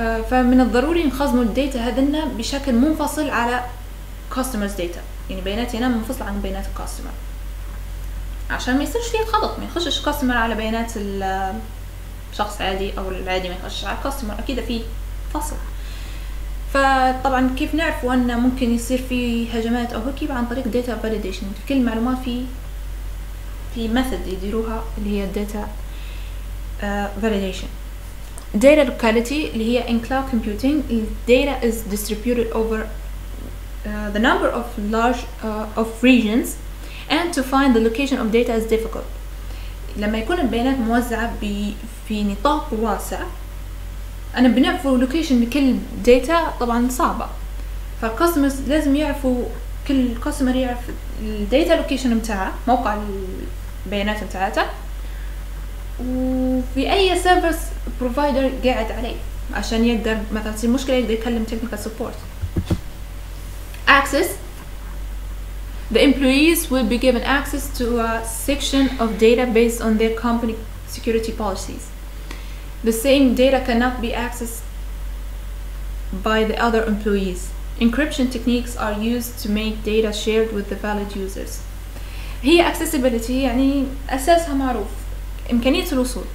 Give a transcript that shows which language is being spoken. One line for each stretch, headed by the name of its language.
Arabic: فمن الضروري نخزموا الداتا هذنا بشكل منفصل على customers data, يعني بياناتي أنا منفصلة عن بيانات customer عشان ما يصيرش فيه خلط, ما يخشش customer على بيانات الشخص عادي أو العادي ما يخشش على customer, أكيد في فصل. فطبعا كيف نعرف أن ممكن يصير في هجمات أو هكي؟ عن طريق data validation. في كل معلومات في method يديروها اللي هي data validation.
English: Data locality
Arabic: اللي هي
English: in cloud computing data is distributed over the number of large of regions and to find the location of data is difficult.
Arabic: لما يكون البيانات موزعة في نطاق واسع أنا بنعرفوا location لكل data طبعا صعبة, فالcustomers لازم يعرفوا كل customer يعرف ال data location متاعه موقع البيانات متاعته وفي أي سيرفرس بروفايدر قاعد عليه عشان يقدر مثلا تصير مشكلة يقدر يكلم technical support.
English: Access the employees will be given access to a section of data based on their company security policies. The same data cannot be accessed by the other employees. Encryption techniques are used to make data shared with the valid users.
Arabic: هي accessibility يعني أساسها معروف إمكانية الوصول.